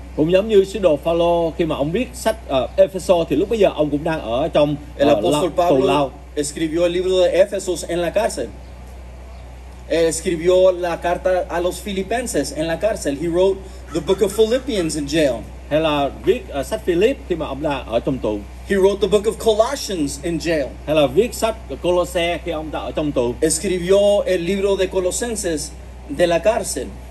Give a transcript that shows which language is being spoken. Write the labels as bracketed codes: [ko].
[vi] Cũng giống như sứ đồ Phaolô, khi mà ông viết sách Efeso thì lúc bây giờ ông cũng đang ở trong [es] el Apostle Pablo [vi] tù lao. [es] Escribió el libro de Efesos en la cárcel. Escribió la carta a los Filipenses en la cárcel. [en] He wrote the book of Philippians in jail. [vi] Hay là viết sách Philip khi mà ông đang ở trong tù. [en] He wrote the book of Colossians in jail. [vi] Hay là viết sách Colossae khi ông đang ở trong tù. [es] Escribió el libro de Colosenses de la cárcel.